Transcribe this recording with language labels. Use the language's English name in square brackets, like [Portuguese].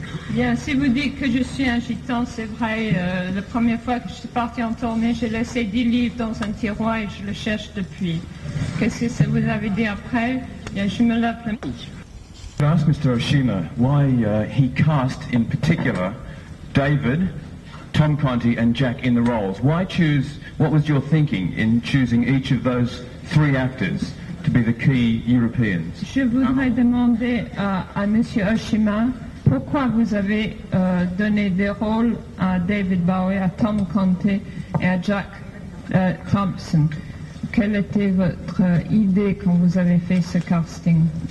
[French] Bien, si vous dites que je suis un gitan, c'est vrai, la première fois que je suis parti en tournée, j'ai laissé 10 livres dans un tiroir et je le cherche depuis. Qu'est-ce que ça vous avait dit après? Bien, je me l'appelle. Je vais demander à Mr. Ôshima pourquoi il a cast en particulier David, Tom Conti et Jack dans les rôles. Pourquoi choisir, [English] what was your thinking in choosing each of those three actors to be the key Europeans? [French] Je voudrais demander à Monsieur Ôshima. Pourquoi vous avez donné des rôles à David Bowie, à Tom Conti et à Jack Thompson? Quelle était votre idée quand vous avez fait ce casting?